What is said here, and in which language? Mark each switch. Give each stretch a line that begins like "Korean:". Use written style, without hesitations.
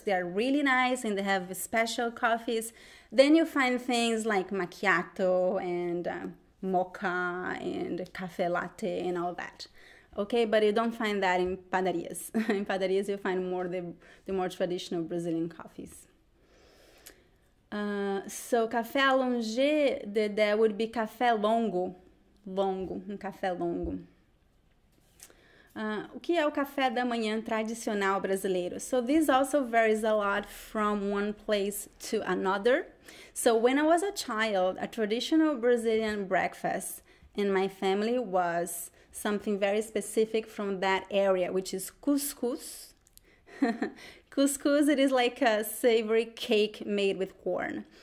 English: They are really nice and they have special coffees. Then you find things like macchiato and mocha and cafe latte and all that. Okay, but you don't find that in padarias. In padarias, you find more the more traditional Brazilian coffees. So, café allongé, that would be café longo.
Portuguese: Longo, um café longo. O que é o café da manhã tradicional brasileiro?
English: So, this also varies a lot from one place to another. So, when I was a child, a traditional Brazilian breakfast in my family was something very specific from that area, which is cuscuz. Cuscuz, it is like a savory cake made with corn.